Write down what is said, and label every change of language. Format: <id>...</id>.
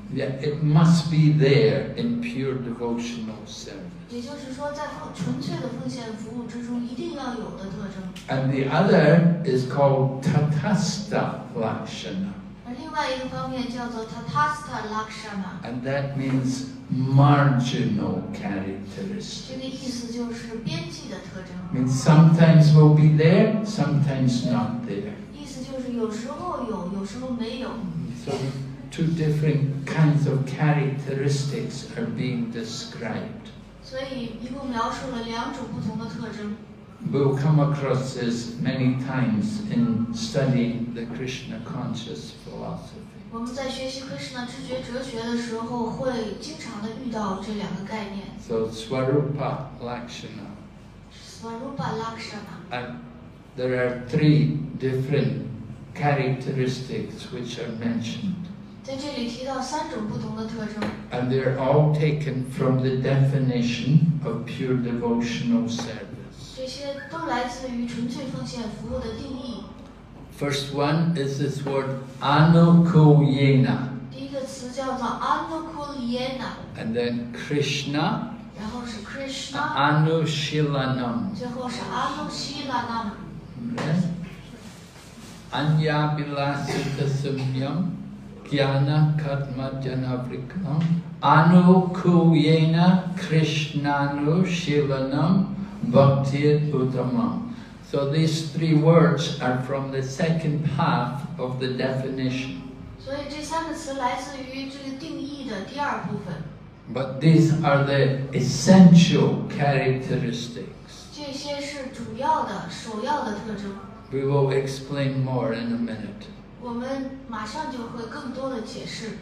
<en>Yeah, it must be there in pure devotional service.</en> <zh>也就是说，在纯粹的奉献服务之中，一定要有的特征。</zh> <en>And the other is called Tathastha Lakshana.</en> <zh>而另外一个方面叫做 Tathastha Lakshana.</zh> <en>And that means marginal characteristics.</en> <zh>这个意思就是边际的特征。</zh> <en>It means sometimes will be there, sometimes not there.</en> <zh>有时候有，有时候没有。</zh> <en>So, two different kinds of characteristics are being described.</en> <zh>所以一共描述了两种不同的特征。</zh> <en>We'll come across this many times in studying the Krishna conscious philosophy.</en> <zh>我们在学习 Krishna 知觉哲学的时候，会经常的遇到这两个概念。</zh> <en>So, Swarupa Lakshana.</en> <sa>Swarupa Lakshana.</sa> <en>And there are three different characteristics which are mentioned.</en> <zh>在这里提到三种不同的特征。</zh> <en>And they're all taken from the definition of pure devotional service.</en> <zh>这些都来自于纯粹奉献服务的定义。</zh> <en>First one is this word anukulyena.</en> <zh>第一个词叫做 anukulyena.</zh> <en>And then Krishna.</en> <zh>然后是 Krishna,</zh> <sa>Anushilanam,</sa> <zh>最后是 Anushilanam,</zh> <sa>Anyabilasitasamyam, Jnana Karma Janavrikam, Anukuyena Krishnanushilanam, Bhaktir Uttamam.</sa> <en>So these three words are from the second half of the definition.</en> <zh>所以这三个词来自于这个定义的第二部分。</zh> <en>But these are the essential characteristics.</en> <zh>这些是主要的、首要的特征。</zh> <en>We will explain more in a minute.</en> <zh>我们马上就会更多的解释。</zh>